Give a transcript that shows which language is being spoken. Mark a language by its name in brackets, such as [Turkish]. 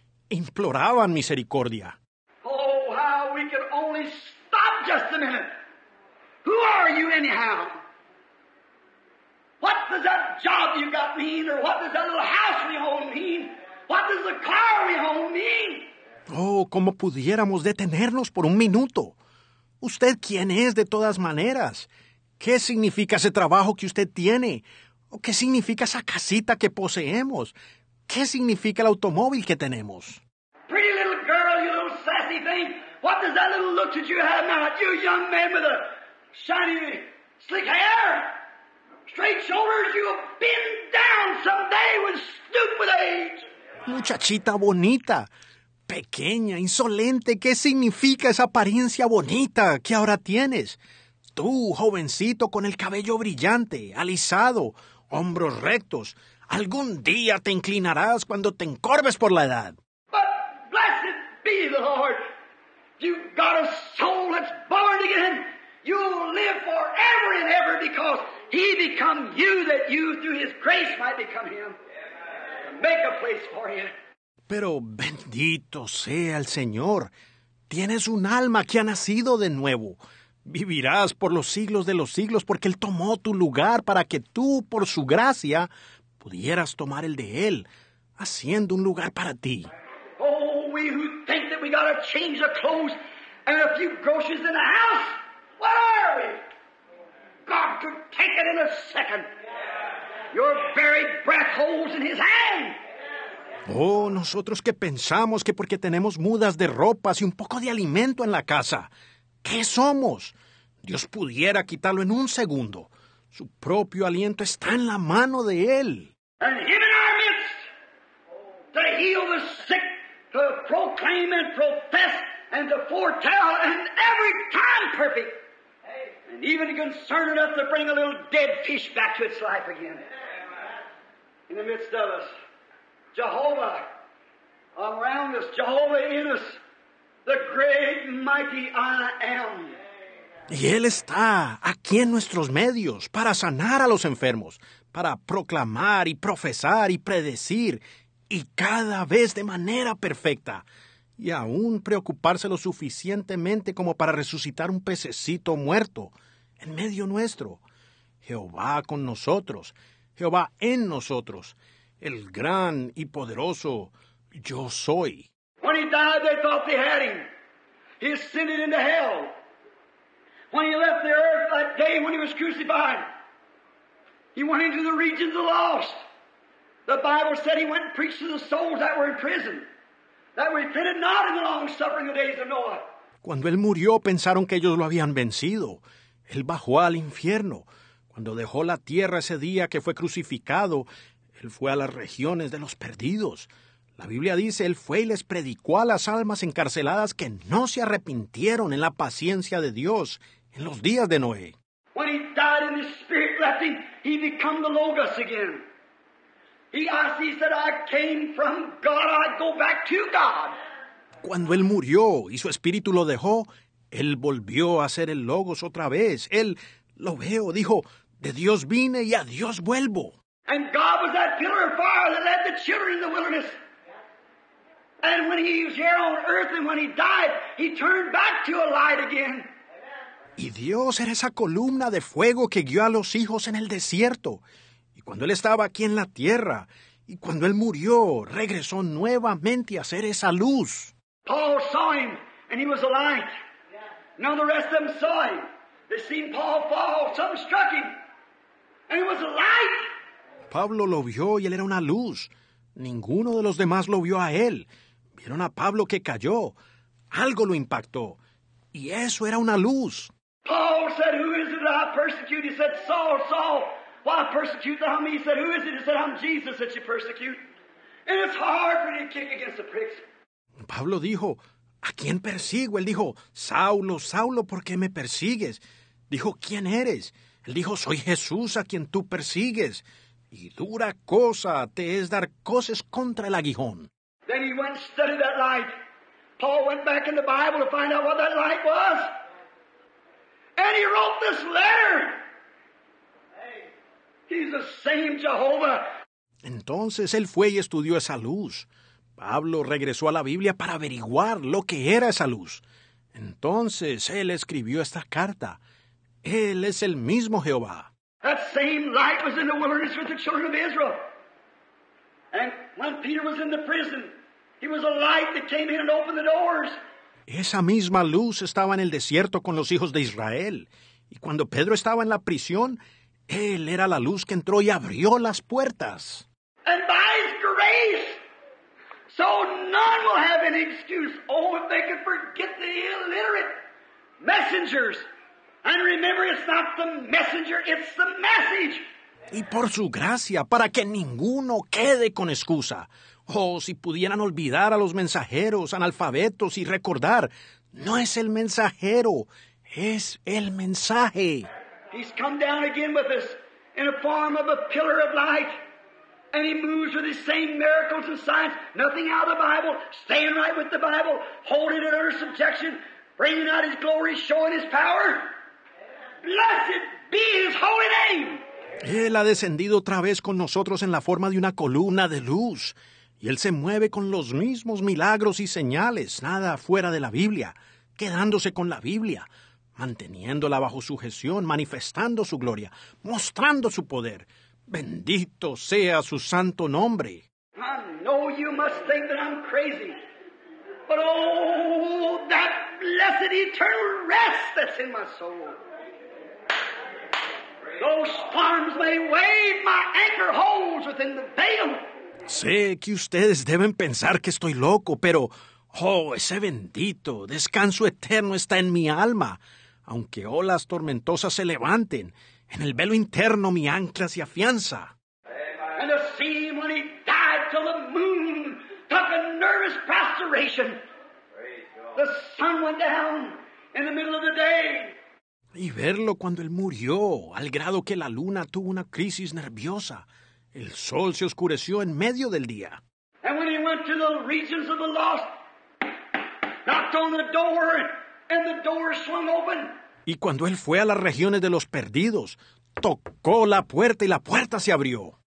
[Spanish] Imploraban misericordia. [English] Oh, how we can only stop just a minute. Who are you anyhow? What does that job you got mean? Or what does that little house we own mean? What does the car we own mean? [Spanish] Oh, cómo pudiéramos detenernos por un minuto. ¿Usted quién es de todas maneras? ¿Qué significa ese trabajo que usted tiene? ¿O qué significa esa casita que poseemos? ¿Qué significa el automóvil que tenemos? [English] Pretty little girl, you little sassy thing. What does that little look that you have now? You young man with a shiny, slick hair, straight shoulders, you'll bend down someday with stupid age. [Spanish] Muchachita bonita, pequeña, insolente, ¿qué significa esa apariencia bonita que ahora tienes? Tú, jovencito, con el cabello brillante, alisado, hombros rectos, algún día te inclinarás cuando te encorves por la edad. [English] But blessed be the Lord. You've got a soul that's born again. You'll live forever and ever because he become you that you through his grace might become him. Make a place for you. [Spanish] Pero bendito sea el Señor. Tienes un alma que ha nacido de nuevo. Vivirás por los siglos de los siglos porque Él tomó tu lugar para que tú, por su gracia, pudieras tomar el de Él, haciendo un lugar para ti. [English] Oh, we who think that we got a change of clothes and a few groceries in the house, what are we? God could take it in a second. Your very breath holds in His hand. [Spanish] Oh, nosotros que pensamos que porque tenemos mudas de ropas y un poco de alimento en la casa, ¿qué somos? Dios pudiera quitarlo en un segundo. Su propio aliento está en la mano de Él. [English] And him in our midst, to heal the sick, to proclaim and profess and to foretell and every time perfect. And even concerned enough to bring a little dead fish back to its life again. In the midst of us, Jehovah around us, Jehovah in us. The great mighty I am. [Spanish] Y Él está aquí en nuestros medios para sanar a los enfermos, para proclamar y profesar y predecir, y cada vez de manera perfecta, y aún preocuparse lo suficientemente como para resucitar un pececito muerto en medio nuestro. Jehová con nosotros, Jehová en nosotros, el gran y poderoso Yo Soy. [English] When he died, they thought they had him. He ascended into hell. When he left the earth that day when he was crucified, he went into the regions of the lost. The Bible said he went and preached to the souls that were in prison, that repented not in the long suffering of the days of Noah. [Spanish] Cuando él murió, pensaron que ellos lo habían vencido. Él bajó al infierno. Cuando dejó la tierra ese día que fue crucificado, él fue a las regiones de los perdidos. La Biblia dice, Él fue y les predicó a las almas encarceladas que no se arrepintieron en la paciencia de Dios en los días de Noé. [English] When he died and his spirit left him, he became the Logos again. He said, I came from God, I go back to God. [Spanish] Cuando Él murió y su espíritu lo dejó, Él volvió a ser el Logos otra vez. Él lo veo, dijo, de Dios vine y a Dios vuelvo. [English] And God was that pillar of fire that led the children in the wilderness. And when he was here on earth and when he died, he turned back to a light again. [Spanish] Y Dios era esa columna de fuego que guió a los hijos en el desierto. Y cuando Él estaba aquí en la tierra, y cuando Él murió, regresó nuevamente a ser esa luz. [English] Paul saw him, and he was a light. Now the rest of them saw him. They seen Paul fall, something struck him, and he was a light. [Spanish] Pablo lo vio y él era una luz. Ninguno de los demás lo vio a él. Vieron a Pablo que cayó. Algo lo impactó. Y eso era una luz. [English] Paul said, who is it that I persecute? He said, Saul, Saul, why persecute thou me? He said, who is it? He said, I'm Jesus that you persecute. And it's hard for you to kick against the pricks. [Spanish] Pablo dijo, ¿a quién persigo? Él dijo, Saulo, Saulo, ¿por qué me persigues? Dijo, ¿quién eres? Él dijo, soy Jesús a quien tú persigues. Y dura cosa te es dar coces contra el aguijón. [English] Then he went and studied that light. Paul went back in the Bible to find out what that light was. And he wrote this letter. He's the same Jehovah. [Spanish] Entonces él fue y estudió esa luz. Pablo regresó a la Biblia para averiguar lo que era esa luz. Entonces él escribió esta carta. Él es el mismo Jehová. [English] That same light was in the wilderness with the children of Israel. And when Peter was in the prison, he was a light that came in and opened the doors. [Spanish] Esa misma luz estaba en el desierto con los hijos de Israel. Y cuando Pedro estaba en la prisión, él era la luz que entró y abrió las puertas. [English] And by his grace, so none will have any excuse. Oh, if they could forget the illiterate messengers. And remember, it's not the messenger, it's the message. [Spanish] Y por su gracia, para que ninguno quede con excusa. Oh, si pudieran olvidar a los mensajeros, analfabetos, y recordar, no es el mensajero, es el mensaje. [English] He's come down again with us in a form of a pillar of light. And he moves with the same miracles and signs. Nothing out of the Bible, staying right with the Bible, holding it under subjection, bringing out his glory, showing his power. Blessed be his holy name. [Spanish] Él ha descendido otra vez con nosotros en la forma de una columna de luz. Y Él se mueve con los mismos milagros y señales, nada fuera de la Biblia, quedándose con la Biblia, manteniéndola bajo sujeción, manifestando su gloria, mostrando su poder. Bendito sea su santo nombre. [English] I know you must think that I'm crazy, but oh, that blessed eternal rest that's in my soul. Those storms may wave, my anchor holds within the veil. [Spanish] Sé que ustedes deben pensar que estoy loco, pero, oh, ese bendito descanso eterno está en mi alma. Aunque olas tormentosas se levanten, en el velo interno mi ancla se afianza. [English] And the sea, when he died till the moon took a nervous prostration. The sun went down in the middle of the day. [Spanish] Y verlo cuando él murió, al grado que la luna tuvo una crisis nerviosa. El sol se oscureció en medio del día. [English] And when he went to the regions of the lost, knocked on the door, and the door swung open. [Spanish] Y cuando él fue a las regiones de los perdidos, tocó la puerta y la puerta se abrió.